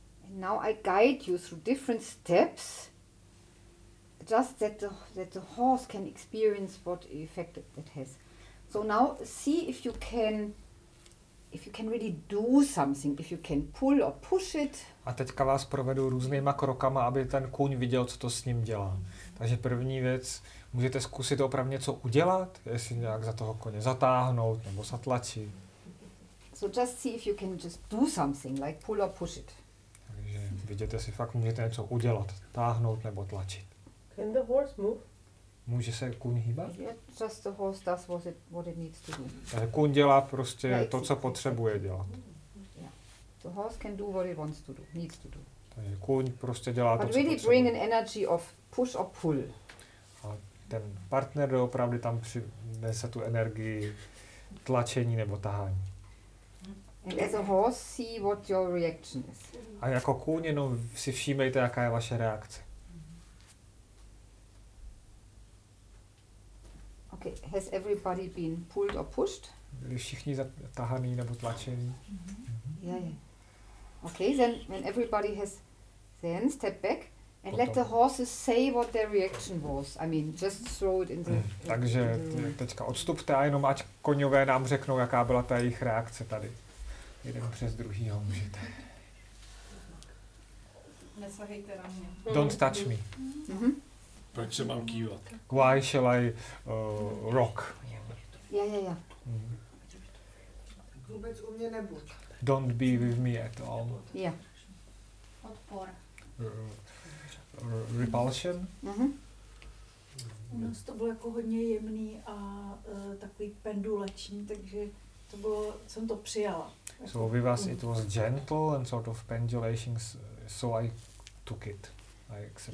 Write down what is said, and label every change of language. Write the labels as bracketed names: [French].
[English] Now I guide you through different steps, just that the horse can experience what effect it has. So now see if you can really do something, if you can pull or push it. [Czech] A teďka vás provedu různýma krokama, aby ten kůň viděl, co to s ním dělá. Takže první věc, můžete zkusit opravdu něco udělat, jestli nějak za toho koně zatáhnout nebo zatlačit. [English] So just see if you can just do something, like pull or push it. [Czech] Takže vidíte si fakt, můžete něco udělat, táhnout nebo tlačit. [English] Can the horse move? [Czech] Může se kůň hýbat? [English] Yeah, just the horse does what it needs to do. [Czech] Takže kůň dělá prostě to, co potřebuje dělat. [English] Yeah. The horse can do what it wants to do, needs to do. [Czech] Takže kůň prostě dělá [English] But [Czech] to, co [English] really [Czech] potřebuje. [English] Bring an energy of push or pull. [Czech] A ten partner doopravdy tam přinese tu energii tlačení nebo tahání. [English] And as a horse, see what your reaction is. [Czech] A jako kůň jenom si všímejte, jaká je vaše reakce. [English] Okay, has everybody been pulled or pushed? [Czech] Byli všichni zatahaný nebo tlačený? [English] Yeah. Okay, then when everybody has then step back and [Czech] potom. [English] Let the horses say what their reaction was. I mean, just throw it in the. [Czech] Takže teďka odstupte a jenom ať koňové nám řeknou, jaká byla ta jejich reakce tady. Jeden přes druhý ho můžete. Nesahejte na mě. [English] Don't touch me. [Czech] Mm-hmm. Proč se mám kývat? [English] Why shall I rock? Ja. Mm-hmm. [Czech] Vůbec u mě nebuď. [English] Don't be with me at all. Yeah. [Czech] Odpor. [English] Repulsion? Mm-hmm. [Czech] U nás to bylo jako hodně jemný a takový penduleční, takže to bylo, jsem to přijala. [English] So with us it was gentle and sort of pendulations, so I took it, I accepted